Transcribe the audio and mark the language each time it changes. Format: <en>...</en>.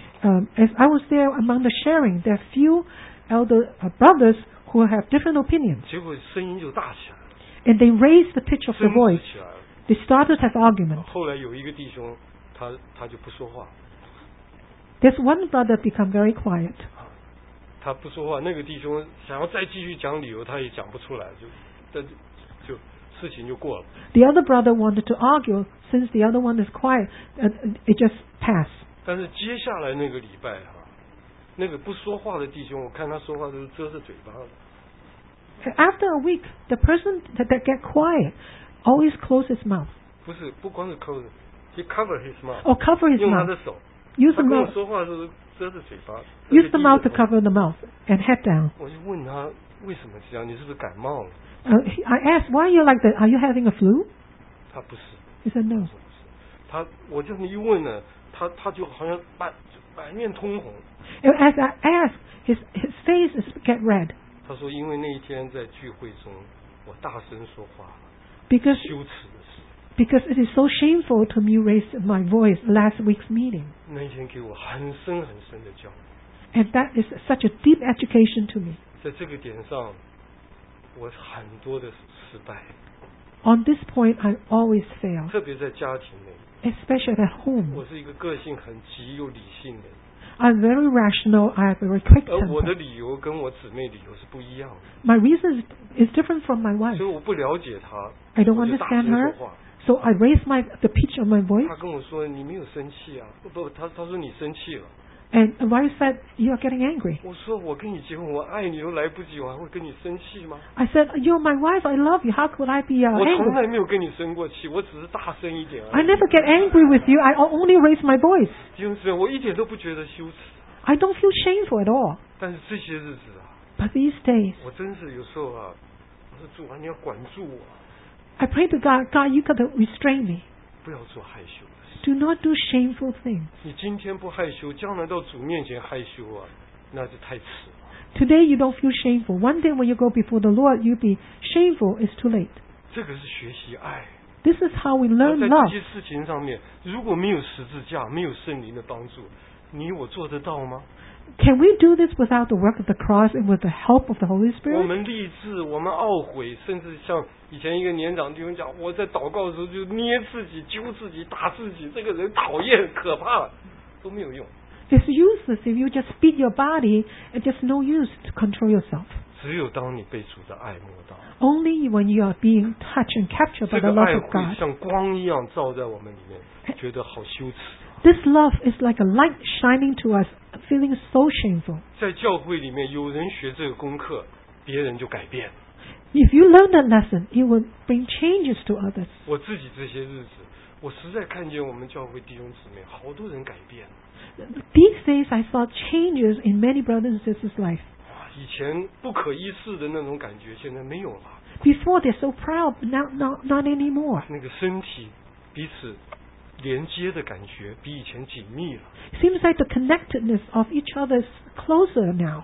<en>As I was there among the sharing, there are few elder brothers who have different opinions.</en> <zh>结果声音就大起来了。</zh> <en>And they raised the pitch of the voice. They started to have argument.</en> <zh>后来有一个弟兄，他就不说话。</zh> <en>There's one brother become very quiet.</en> <zh>他不说话，那个弟兄想要再继续讲理由，他也讲不出来，就事情就过了。</zh> <en>The other brother wanted to argue, since the other one is quiet, it just passed.</en> <zh>但是接下来那个礼拜哈，那个不说话的弟兄，我看他说话都遮着嘴巴了。</zh> <en>After a week, the person that get quiet always close his mouth.</en> <zh>不是，不光是</zh> <en>close, he cover his mouth. Or cover his mouth.</en> <zh>用他的手。</zh> <en>Use the mouth.</en> <zh>他跟我说话的时候遮着嘴巴。</zh> <en>Use the mouth to cover the mouth and head down.</en> <zh>我就问他为什么这样，你是不是感冒了？</zh> <en>I asked, why are you like that? Are you having a flu?</en> <zh>他不是。</zh> <en>He said no.</en> <zh>他我就一问呢，他就好像满面通红。</zh> <en>And as I asked, his face is get red.</en> <zh>他说因为那一天在聚会中，我大声说话。</zh> <en>Because</en> <zh>羞耻。</zh> <en>Because it is so shameful to me raise my voice last week's meeting.</en> <zh>那天给我很深很深的教。</zh> <en>And that is such a deep education to me.</en> <zh>在这个点上。我很多的失败。</zh> <en>On this point, I always fail.</en> <zh>特别在家庭内。</zh> <en>Especially at home.</en> <zh>我是一个个性很急又理性的。</zh> <en>I'm very rational. I have a very quick temper.</en> <zh>而我的理由跟我姊妹理由是不一样。</zh> <en>My reason is different from my wife.</en> <zh>所以我不了解她。</zh> <en>I don't understand her. So I raise the pitch of my voice.</en> <zh>她跟我说：“你没有生气啊？” 不，她说你生气了。</zh> <en>And the wife said, "You are getting angry."</en> <zh>我说我跟你结婚，我爱你都来不及，我还会跟你生气吗</zh> <en>？I said, "You're my wife. I love you. How could I be angry?"</en> <zh>我从来没有跟你生过气，我只是大声一点而已。</zh> <en>I never get angry with you. I only raise my voice.</en> <zh>弟兄姊妹，我一点都不觉得羞耻。</zh> <en>I don't feel shameful at all.</en> <zh>但是这些日子啊</zh> <en>，But these days,</en> <zh>我真是有时候啊，我说主啊，你要管住我。</zh> <en>I pray to God, God, you gotta restrain me.</en> <zh>不要做害羞。</zh> <en>Do not do shameful things.</en> <zh>你今天不害羞，将来到主面前害羞啊，那就太迟了。</zh> <en>Today you don't feel shameful. One day when you go before the Lord, you'll be shameful. It's too late.</en> <zh>这个是学习爱。</zh> <en>This is how we learn love.</en> <zh>在这些事情上面，如果没有十字架，没有圣灵的帮助，你我做得到吗？</zh> <en>Can we do this without the work of the cross and with the help of the Holy Spirit?</en> <zh>我们立志，我们懊悔，甚至像。以前一个年长弟兄讲，我在祷告的时候就捏自己、揪自己、打自己，这个人讨厌、可怕，都没有用。</zh> <en>It's useless if you just beat your body. It's just no use to control yourself.</en> <zh>只有当你被主的爱摸到</zh> <en>，Only when you are being touched and captured by the love of God.</en> <zh>这个爱会像光一样照在我们里面，觉得好羞耻。</zh> <en>This love is like a light shining to us, feeling so shameful.</en> <zh>在教会里面，有人学这个功课，别人就改变。</zh> <en>If you learn that lesson, it will bring changes to others.</en> <zh>我自己这些日子，我实在看见我们教会弟兄姊妹好多人改变。</zh> <en>These days, I saw changes in many brothers and sisters' life.</en> <zh>以前不可一世的那种感觉，现在没有了。</zh> <en>Before they're so proud, but not anymore.</en> <zh>那个身体彼此连接的感觉比以前紧密了。</zh> <en>Seems like the connectedness of each other is closer now.</en>